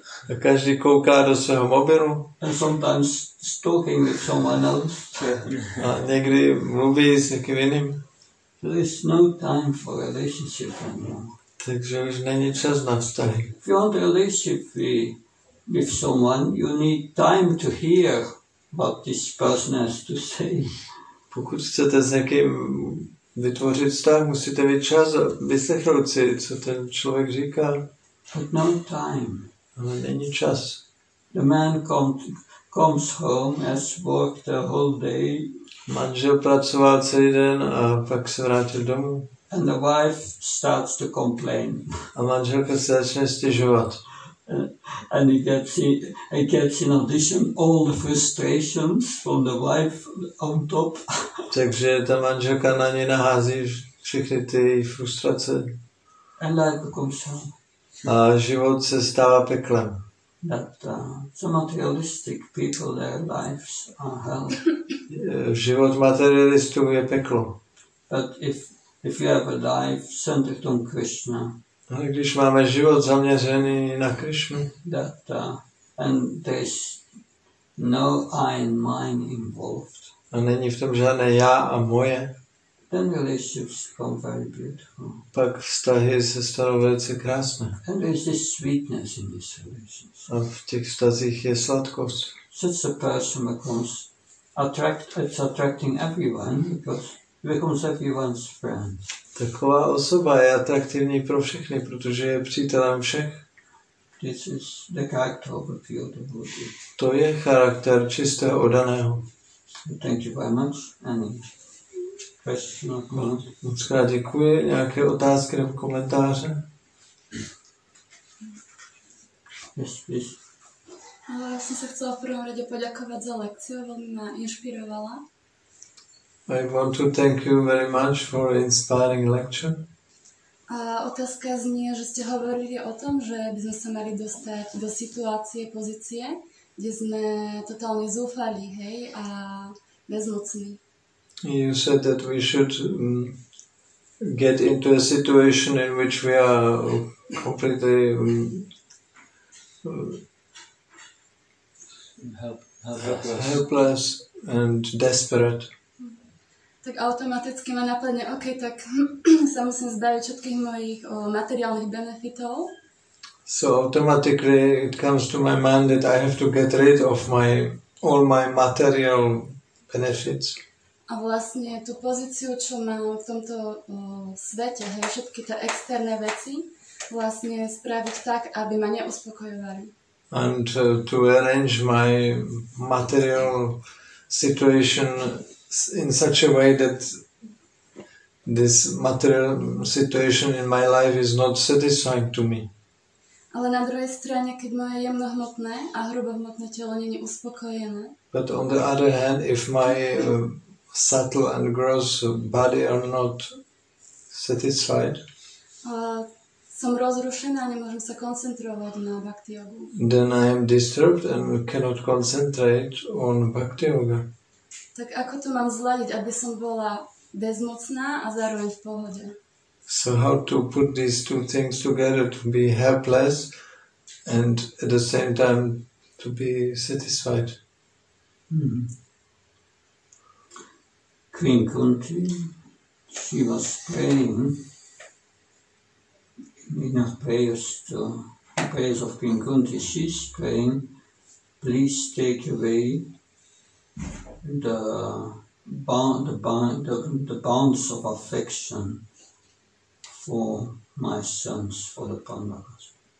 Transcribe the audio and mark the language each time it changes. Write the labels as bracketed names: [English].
[Czech] A každý kouká do svého mobilu. [English] And sometimes talking with someone else. [Czech] A někdy mluví s někým jiným. [English] There is no time for relationship anymore. [Czech] Takže už není čas na vztahy. [English] If you want a relationship with someone, you need time to hear what this person has to say. [Czech] Pokud chcete s někým vytvořit vztah, musíte mít čas vyslechnout si, co ten člověk říká. [English] But no time. [Czech] Ale není čas. [English] The man comes home, has worked the whole day. [Czech] Manžel pracoval celý den a pak se vrátil domů. [English] And the wife starts to complain. [Czech] A manželka se začne stěžovat. [English] And he gets in addition all the frustrations from the wife on top. [Czech] Takže ta manželka na ně nahází všechny ty frustrace. [English] And life becomes hell. [Czech] A život se stává peklem. [English] That some materialistic people, their lives are hell. [Czech] Život materialistů je peklo. [English] But if you have a life centered on Krishna. [Czech] Ale když máme život zaměřený na Krišnu. [English] And there's no I and mine involved. [Czech] A není v tom žádné já a moje. [English] Then relationships become very beautiful. [Czech] Pak vztahy se stanou velice krásné. [English] And there's this sweetness in this relationship. [Czech] A v těch vztazích je sladkost. [English] Such a person becomes it's attracting everyone because becomes everyone's friend. [Czech] Taková osoba je atraktivní pro všechny, protože je přítelem všech. [English] This is the character of a pure devotee. [Czech] To je charakter čistého oddaného. [English] Thank you very much. Any question or comment? [Czech] Moc krát děkuji. Nějaké otázky nebo komentáře? [English] Yes, please. [Czech] Ale já jsem se chtěla v prvom radě poděkovat za lekci, velmi mě inspirovala. [English] I want to thank you very much for inspiring lecture. [Slovak] A otázka znie, že ste hovorili o tom, že by sme sa mali dostať do situácie, pozície, kde sme totálne zúfali, hej, a bezmocní. [English] You said that we should get into a situation in which we are completely helpless and desperate. [Slovak] Tak automaticky ma napadne, OK, tak sa musím zbaviť všetkých mojich materiálnych benefitov. [English] So automatically it comes to my mind that I have to get rid of my all my material benefits. [Slovak] A vlastne tú pozíciu, čo mám v tomto svete, hej, všetky tie externé veci, vlastne spraviť tak, aby ma neuspokojovali. [English] And to arrange my material situation in such a way that this material situation in my life is not satisfying to me. [Slovak] Ale na druhej strane, keď moje jemnohmotné a hrubohmotné telo nie je uspokojené. [English] But on the other hand, if my subtle and gross body are not satisfied, [Slovak] som rozrušená a nemôžem sa koncentrovať na bhakti yogu. [English] Then I am disturbed and cannot concentrate on bhakti yoga. [Slovak] Tak ako to mám zladiť, aby som bola bezmocná a zároveň v pohode? [English] So how to put these two things together, to be helpless and at the same time to be satisfied? Queen Kunti, she was praying in her prayers to the prayers of Queen Kunti, she's praying, please take away the bonds of affection for my sons, for the Pandavas.